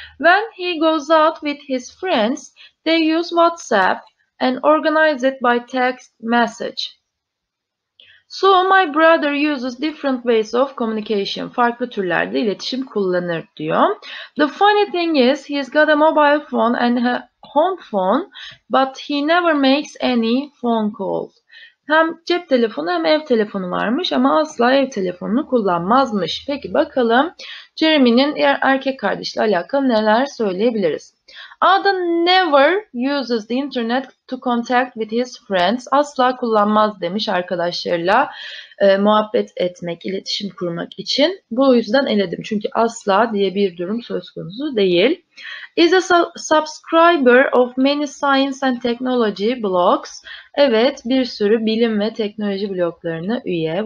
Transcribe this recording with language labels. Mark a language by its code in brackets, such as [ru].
[en] When he goes out with his friends, they use WhatsApp and organize it by text message. So my brother uses different ways of communication. [tr] Farklı türlerde iletişim kullanır diyor. [en] The funny thing is he's got a mobile phone and a home phone, but he never makes any phone calls. [tr] Hem cep telefonu hem ev telefonu varmış ama asla ev telefonunu kullanmazmış. Peki bakalım Jeremy'nin erkek kardeşle alakalı neler söyleyebiliriz? [en] Adam never uses the internet to contact with his friends. [tr] Asla kullanmaz demiş arkadaşlarıyla muhabbet etmek, iletişim kurmak için. Bu yüzden eledim çünkü asla diye bir durum söz konusu değil. [en] Is a subscriber of many science and technology blogs. [tr] Evet, bir sürü bilim ve teknoloji bloglarına üye.